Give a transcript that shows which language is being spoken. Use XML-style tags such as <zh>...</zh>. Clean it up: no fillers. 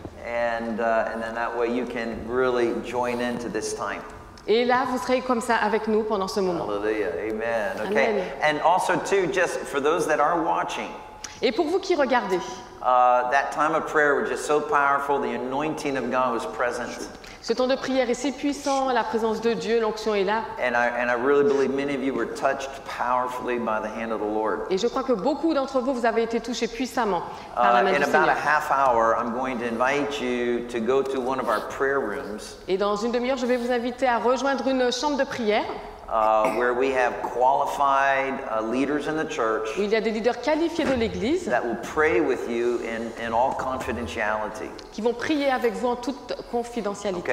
<en>And then that way you can really join into this time.</en> <fr>Et là, vous serez comme ça avec nous pendant ce moment.</fr> <en>Hallelujah. Amen. Okay. Amen. And also too, just for those that are watching.</en> <fr>Et pour vous qui regardez.</fr> <en>That time of prayer was just so powerful. The anointing of God was present.</en> <fr>Ce temps de prière est si puissant. La présence de Dieu, l'onction est là.</fr> <en>And I really believe many of you were touched powerfully by the hand of the Lord.</en> <fr>Et je crois que beaucoup d'entre vous, vous avez été touchés puissamment par la main du Seigneur.</fr> <en>In about a half hour, I'm going to invite you to go to one of our prayer rooms.</en> <fr>Et dans une demi-heure, je vais vous inviter à rejoindre une chambre de prière.</fr> <en>Where we have qualified leaders in the church.</en> <fr>Il y a des leaders qualifiés de l'église.</fr> <en>That will pray with you in all confidentiality.</en> <fr>Qui vont prier avec vous en toute confidentialité.</fr>